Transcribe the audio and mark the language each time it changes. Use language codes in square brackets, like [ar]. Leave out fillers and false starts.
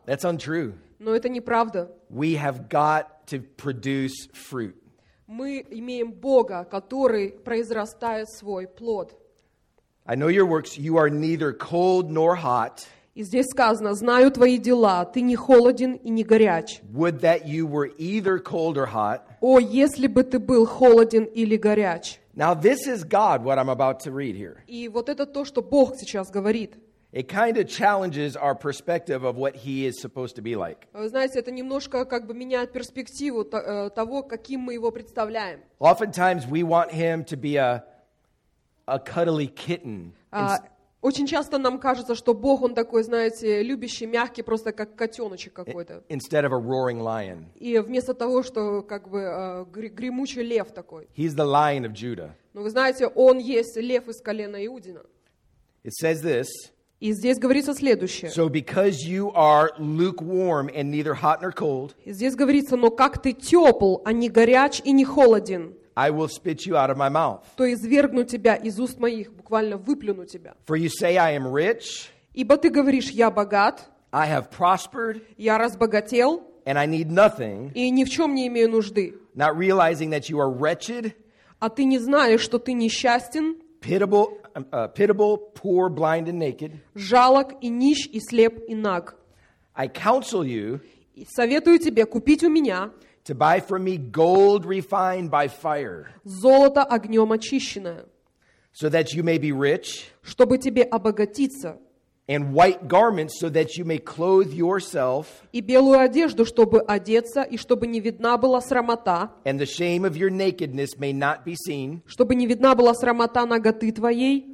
[en] That's untrue. [ru] Но это неправда. [en] We have got to produce fruit. [ru] Мы имеем Бога, который произрастает свой плод. [en] I know your works, you are neither cold nor hot. [ru] И здесь сказано, знаю твои дела, ты не холоден и не горяч. [en] Would that you were either cold or hot. [ru] О, если бы ты был холоден или горяч. [en] Now this is God, what I'm about to read here. [ru] И вот это то, что Бог сейчас говорит. [en] It kind of challenges our perspective of what he is supposed to be like. [ru] Вы знаете, это немножко как бы меняет перспективу того, каким мы его представляем. [en] Oftentimes we want him to be a cuddly kitten. [ru] Очень часто нам кажется, что Бог, он такой, знаете, любящий, мягкий, просто как котеночек какой-то. [en] Instead of a roaring lion. [ru] И вместо того, что как бы гремучий лев такой. [en] He's the lion of Judah. [ru] Но вы знаете, он есть лев из колена Иудина. [en] It says this. [ru] И здесь говорится следующее. [en] So because you are lukewarm and neither hot nor cold. [ru] И здесь говорится, но как ты тепл, а не горяч и не холоден. [en] I will spit you out of my mouth. [ru] То извергну тебя из уст моих, буквально выплюну тебя. [en] For you say I am rich. [ru] Ибо ты говоришь, я богат. [en] I have prospered. [ru] Я разбогател. [en] And I need nothing. [ru] И ни в чем не имею нужды. [en] Not realizing that you are wretched. [ru] А ты не знаешь, что ты несчастен. [en] Pitiable, poor, blind and naked. [ru] Жалок и нищ и слеп и наг. [en] I counsel you. [ru] Советую тебе купить у меня. [en] To buy from me gold refined by fire. [ru] Золото огнем очищенное. [en] So that you may be rich. [ru] Чтобы тебе обогатиться. [en] And white garments so that you may clothe yourself. [ru] И белую одежду, чтобы одеться, и чтобы не видна была срамота. [en] And the shame of your nakedness may not be seen. [ru] Чтобы не видна была срамота наготы твоей.